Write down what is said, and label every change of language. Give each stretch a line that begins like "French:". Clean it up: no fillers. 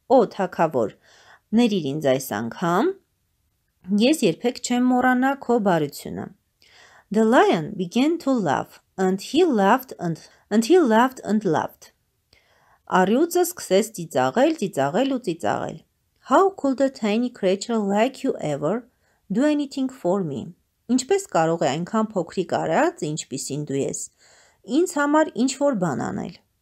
Armenian: «Օ թագավոր, ներիր ինձ այս անգամ, ես երբեք չեմ մոռանա քո բարությունը»։
English: The lion began to laugh, and he laughed and he laughed and laughed.
Armenian: Արյուծը սկսեց ծիծաղել, ծիծաղել ու ծիծաղել.
English: How could a tiny creature like you ever do anything for me?
Armenian: Ինչպես կարող է այնքան փոքրիկ արած, ինչպիսին դու ես, ինձ համար ինչ-որ բան անել?